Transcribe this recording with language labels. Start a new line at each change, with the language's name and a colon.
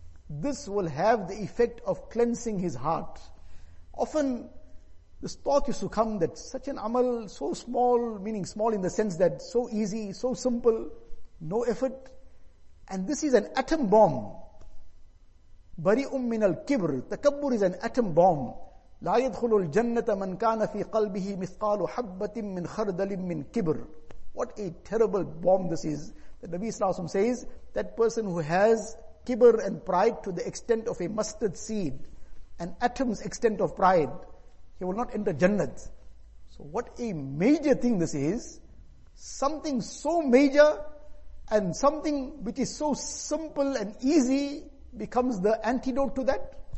English: This will have the effect of cleansing his heart. Often this thought used to come that such an amal, so small, meaning small in the sense that so easy, so simple, no effort, and this is an atom bomb.
Arabic: Bari'um min al-kibr.
English: Takabbur is an atom bomb.
Arabic: لا يدخل الجنة من كان في قلبه مثقال حبة من خردل من كبر.
English: What a terrible bomb this is. The Nabi Sallallahu Alaihi Wasallam says that person who has kibr and pride to the extent of a mustard seed, an atom's extent of pride, he will not enter Jannat. So what a major thing this is. Something so major and something which is so simple and easy becomes the antidote to that.